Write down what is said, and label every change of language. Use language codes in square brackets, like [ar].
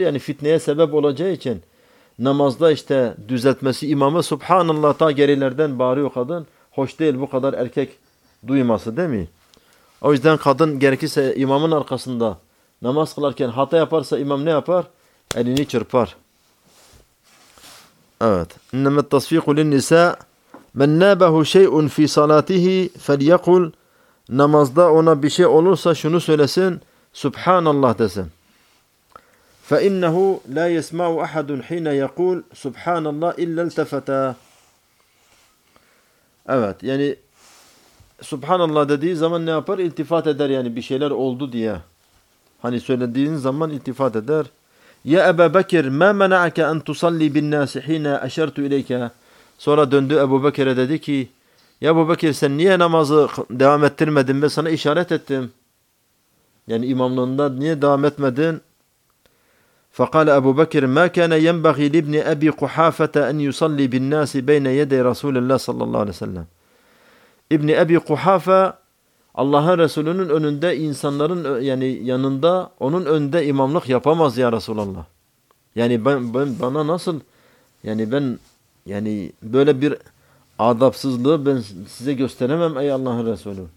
[tr] Yani fitneye sebep olacağı için namazda işte düzeltmesi imamı Subhanallah ta gerilerden bağırıyor kadın. Hoş değil bu kadar erkek duyması değil mi? O yüzden kadın gerekirse imamın arkasında namaz kılarken hata yaparsa imam ne yapar? Elini çırpar. Evet. [ar] اِنَّمَا التَّصْف۪يقُ لِلنِّسَى مَنْ نَابَهُ شَيْءٌ فِي صَلَاتِهِ فَلْيَقُلْ [tr] Namazda ona bir şey olursa şunu söylesin. Subhanallah desin. [ar] فَإِنَّهُ لَا يَسْمَعُ أَحَدٌ حِينَ يَقُولْ سُبْحَانَ اللّٰهِ اِلَّا الْتَفَتَى [tr] Evet yani Subhanallah dediği zaman ne yapar? İltifat eder yani bir şeyler oldu diye. Hani söylediğin zaman iltifat eder. [ar] يَا أَبَا بَكِرْ مَا مَنَعَكَ أَنْ تُصَلِّي بِالنَّاسِ حِينَ أَشَرْتُ اِلَيْكَ [tr] Sonra döndü Ebu Bekir'e dedi ki Ya Ebu Bekir sen niye namazı devam ettirmedin? Ben sana işaret ettim. Yani imamlığında niye devam etmedin? [ar] فقال أبو بكر ما كان ينبغي لابن أبي قحافة أن يصلي بالناس بين يدي رسول الله صلى الله عليه وسلم. [tr] ابن أبي قحافة الله رسولunun önünde insanların yani yanında onun önünde imamlık yapamaz ya Resulullah. Yani ben bana nasıl yani ben yani böyle bir adapsızlığı ben size gösteremem ey Allah'ın Resulü.